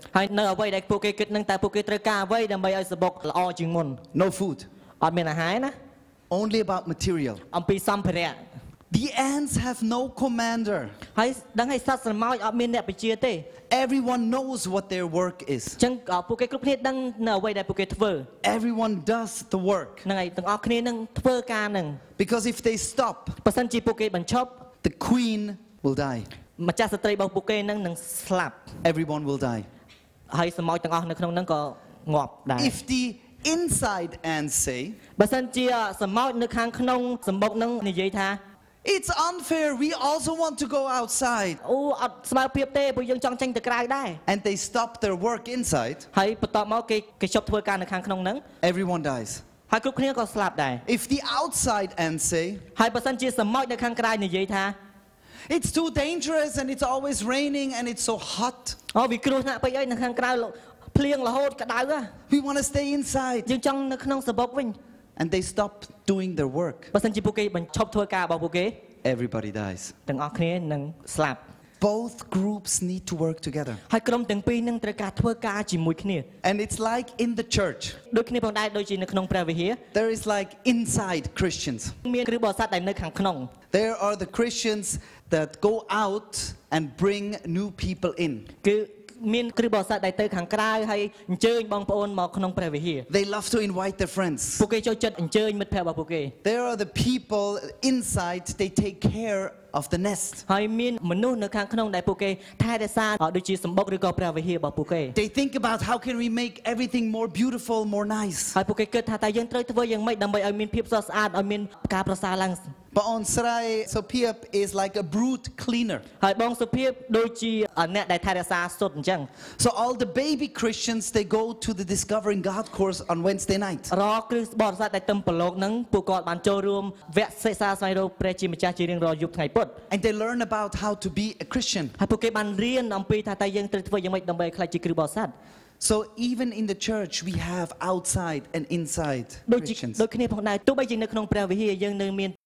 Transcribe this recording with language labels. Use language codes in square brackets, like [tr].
[km] ហើយនៅអ្វីដែលពួកគេគិតហ្នឹងតែពួកគេត្រូវការអ្វីដើម្បីឲ្យសំបុកល្អជាងមុន [en] No food. [km] អត់មានអាហារណា [en] Only about material. [km] អំពីសម្ភារៈ [en] The ants have no commander. [km] ហើយដឹងហើយសត្វស្រមោចអត់មានអ្នកបញ្ជាទេ [en] Everyone knows what their work is. [km] ចឹងពួកគេគ្រប់គ្នាដឹងនៅអ្វីដែលពួកគេធ្វើ [en] Everyone does the work. [km] ហ្នឹងហើយទាំងអស់គ្នានឹងធ្វើការនឹង [en] Because if they stop, [km] បើសិនជាពួកគេបញ្ឈប់ [en] The queen will die. [km] ម្ចាស់ស្ត្រីរបស់ពួកគេនឹងស្លាប់ [en] Everyone will die. [km] ហើយស្រមោចទាំងអស់នៅក្នុងហ្នឹងក៏ងាប់ដែរ [en] If the inside ants say, [km] បើសិនជាស្រមោចនៅខាងក្នុងសំបុកហ្នឹងនិយាយថា [en] It's unfair. We also want to go outside. [km] អូអត់ស្មើភាពទេព្រោះយើងចង់ចេញទៅក្រៅដែរ [en] And they stop their work inside. [km] ហើយបន្តមកគេជប់ធ្វើការនៅខាងក្នុងហ្នឹង [en] Everyone dies. [km] ហើយគ្រប់គ្នាក៏ស្លាប់ដែរ [en] If the outside and say. [km] ហើយបើសិនជាសមោចនៅខាងក្រៅនិយាយថា [en] It's too dangerous and it's always raining and it's so hot. [km] អូវាគ្រោះថ្នាក់ពេកអីនៅខាងក្រៅភ្លៀងរហូតក្តៅហ៎ [en] We want to stay inside. [km] យើងចង់នៅក្នុងសំបុកវិញ [en] And they stop doing their work. [km] បើសិនជាពួកគេបញ្ឈប់ធ្វើការរបស់ពួកគេ [en] Everybody dies. [km] ទាំងអស់គ្នានឹងស្លាប់ [en] Both groups need to work together. [km] ហើយក្រុមទាំងពីរនឹងត្រូវការធ្វើការជាមួយគ្នា [en] And it's like in the church. [km] ដូចគ្នាផងដែរដូចជានៅក្នុងព្រះវិហារ [en] There is like inside Christians. [km] មានគ្រីស្ទបរិស័ទដែលនៅខាងក្នុង [en] There are the Christians that go out and bring new people in. [km] គឺមានគ្រីស្ទបរិស័ទដែលទៅខាងក្រៅហើយអញ្ជើញបងប្អូនមកក្នុងព្រះវិហារ [en] They love to invite their friends [km] ពួកគេចូលចិត្តអញ្ជើញមិត្តភ័ក្តិរបស់ពួកគេ [en] There are the people inside they take care of the nest [km] ហើយមានមនុស្សនៅខាងក្នុងដែលពួកគេថែរក្សាដូចជាសំបុកឬក៏ព្រះវិហាររបស់ពួកគេ [en] They think about how can we make everything more beautiful more nice [km] ហើយពួកគេគិតថាតើយើងត្រូវធ្វើយ៉ាងម៉េចដើម្បីឲ្យមានភាពស្អាតស្អាតឲ្យមានការប្រសើរឡើង បងអូនស្រី [en] Sophia is like a brood cleaner [km] ហើយបង Sophia ដូចជាអ្នកដែលថែរក្សាសុទ្ធអញ្ចឹង [en] So all the baby Christians they go to the Discovering God course on Wednesday night [km] រាល់គ្រីស្ទបរិស័ទដែលទៅប្រឡូកហ្នឹងពួកគាត់បានចូលរួមវគ្គសិក្សាស្វែងរកព្រះជាម្ចាស់ជារៀងរាល់យប់ថ្ងៃពុធ [en] And they learn about how to be a Christian [km] ហើយពួកគេបានរៀនអំពីថាតើយើងត្រូវធ្វើយ៉ាងម៉េចដើម្បីក្លាយជាគ្រីស្ទបរិស័ទ [en] So even in the church we have outside and inside Christians [km] ដូចគ្នាផងដែរទោះបីជានៅក្នុងព្រះវិហារយើងនៅមាន